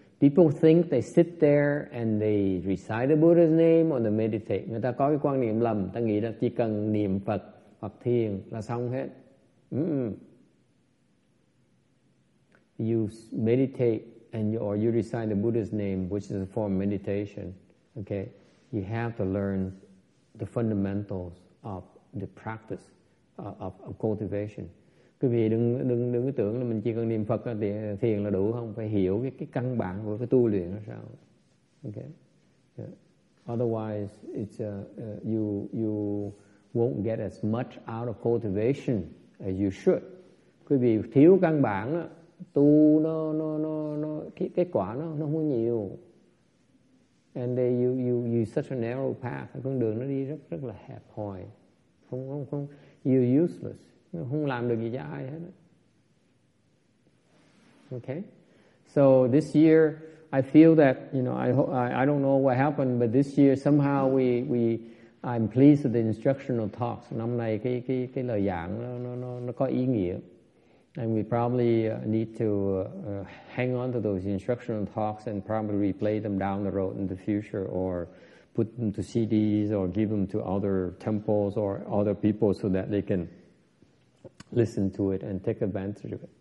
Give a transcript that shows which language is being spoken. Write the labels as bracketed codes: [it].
[en] People think they sit there and they recite the Buddha's name or they meditate. [vi] Người ta có cái quan niệm lầm. Ta nghĩ là chỉ cần niệm Phật hoặc thiền là xong hết. [en] You meditate and you recite the Buddha's name, which is a form of meditation. Okay, you have to learn the fundamentals of the practice of cultivation. [vi] Quý vị đừng có tưởng là mình chỉ cần niệm Phật thiền là đủ không? Phải hiểu cái căn bản của cái tu luyện là sao? [en] Okay. Yeah. Otherwise, it's you won't get as much out of cultivation as you should. [vi] Quý vị thiếu căn bản á, tu nó kết quả nó không nhiều. [en] And they you such a narrow path, [vi] con đường nó đi rất là hẹp hòi, không [en] you useless, [vi] không làm được gì cho ai hết. [en] Okay, so this year I feel that I don't know what happened, but this year somehow we I'm pleased with the instructional talks. [vi] Năm nay cái lời giảng nó có ý nghĩa. [en] And we probably need to hang on to those instructional talks and probably replay them down the road in the future, or put them to CDs or give them to other temples or other people so that they can listen to it and take advantage of it.